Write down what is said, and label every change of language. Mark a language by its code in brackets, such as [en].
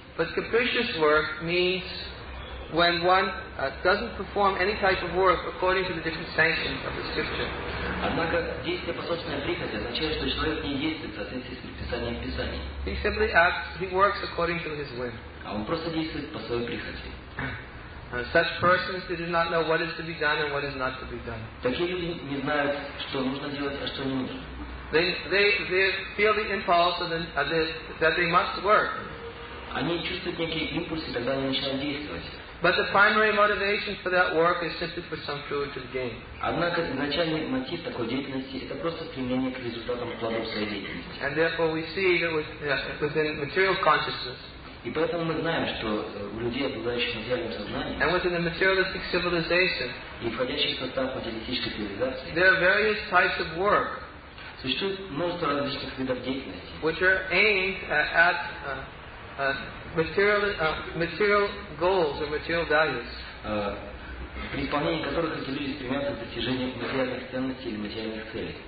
[en] But capricious work means when one doesn't perform any type of work according to the different sanctions of the scripture. [ru] Однако действие по собственной прихоти означает, что человек не действует в соответствии с предписанием Писания. [en] He simply acts, he works according to his whim. [ru] А он просто действует по своей прихоти. [en] Such persons, they do not know what is to be done and what is not to be done. [ru] Такие люди не знают, что нужно делать, а что не нужно. [en] They feel the impulse of that they must work. [ru] Они чувствуют некие импульсы, когда они начинают действовать. [en] But the primary motivation for that work is simply for some fruit to gain. [ru] Однако изначальный мотив такой деятельности это просто стремление к результатам плодов своей деятельности. [en] And therefore we see that within material consciousness. [ru] И поэтому мы знаем, что у людей, обладающих материальным сознанием, [en] and within the materialistic civilization, [ru] и входящих в состав материалистической цивилизации, [en] there are various types of work. [ru] Существует множество различных видов деятельности, [en] which are aimed at material goals or material values. [ru] При исполнении которых эти люди стремятся к достижению материальных ценностей или материальных целей.